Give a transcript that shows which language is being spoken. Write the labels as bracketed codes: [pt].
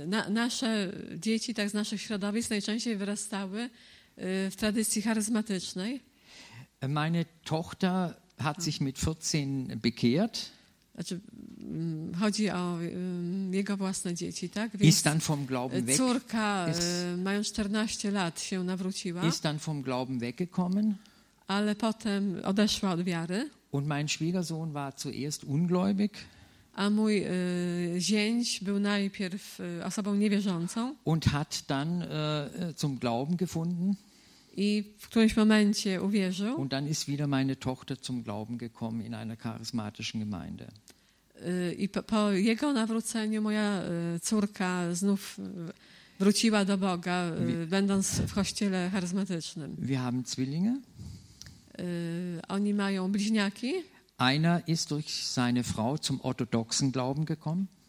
[pl] Nasze dzieci, tak z naszych środowisk, najczęściej wyrastały w tradycji charyzmatycznej. [de] Meine Tochter hat sich mit 14 bekehrt. [pl] Znaczy, chodzi o jego własne dzieci, tak? Więc [de] ist dann vom Glauben weg. [pl] Córka, mając 14 lat, się nawróciła. [de] Ist dann vom Glauben weggekommen. [pl] Ale potem odeszła od wiary. [de] Und mein Schwiegersohn war zuerst ungläubig. [pl] A mój zięć był najpierw osobą niewierzącą. [de] Und hat dann zum Glauben gefunden. [pl] I w którymś momencie uwierzył. [de] Und dann ist wieder meine Tochter zum Glauben gekommen in einer charismatischen Gemeinde. [pl] I po jego nawróceniu moja córka znów wróciła do Boga, będąc w kościele charyzmatycznym. [de] Wir haben Zwillinge. [pl] Oni mają bliźniaki. [de] Einer ist durch seine Frau zum orthodoxen Glauben gekommen.